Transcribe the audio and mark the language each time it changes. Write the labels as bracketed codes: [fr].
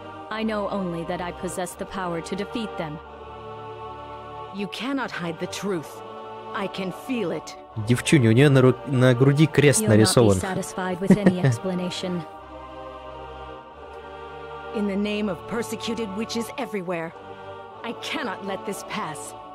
[en] I know only that I possess the power to defeat them. You cannot hide the truth. I can feel it. [ru] Девчонь, у нее на груди крест нарисован. [en] You'll not be satisfied with any explanation. In the name of persecuted witches everywhere, I cannot let this pass.